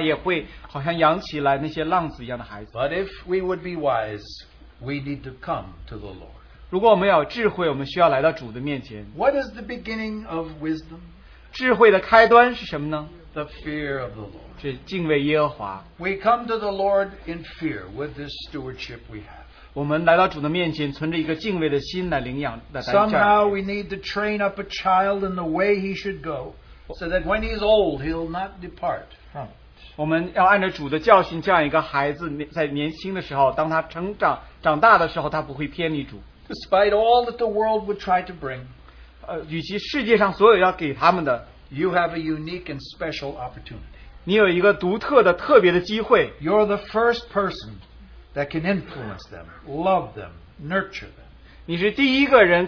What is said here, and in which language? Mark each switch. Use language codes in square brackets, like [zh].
[zh] 我们知道在圣经当中,就是圣徒们,他也会好像养起来那些浪子一样的孩子。 [en] But if we would be wise, we need to come to the Lord. [zh] 如果我们有智慧,我们需要来到主的面前。 [en] What is the beginning of wisdom? [zh] 智慧的开端是什么呢? [en] The fear of the Lord. [zh] 是敬畏耶和华。 [en] We come to the Lord in fear with this stewardship we have. [zh] 我们来到主的面前,存着一个敬畏的心来领养。 [en] Somehow we need to train up a child in the way he should go, so that when he's old, he'll not depart from it. [zh] 我们要按照主的教训,这样一个孩子在年轻的时候,当他成长,长大的时候,他不会偏离主。 [en] Despite all that the world would try to bring, [zh] 与其世界上所有要给他们的, [en] you have a unique and special opportunity. [zh] 你有一个独特的,特别的机会。 [en] You're the first person that can influence them, love them, nurture them.